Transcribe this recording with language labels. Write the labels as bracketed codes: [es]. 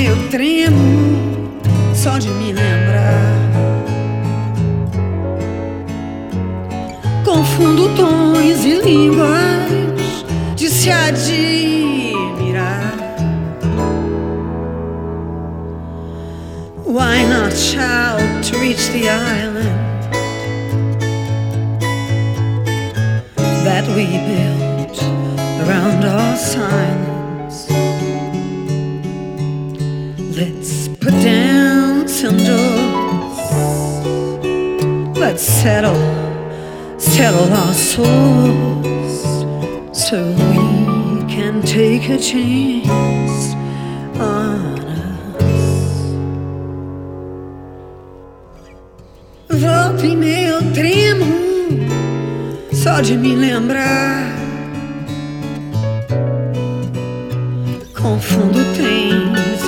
[pt] Tremo só de me lembrar. Confundo tons e línguas de se admirar. [en] Why not shout to reach the island that we built around our silence? Let's put down some doors. Let's settle our souls, so we can take a chance on us. [pt] Volto e meio tremo só de me lembrar. Confundo tempo.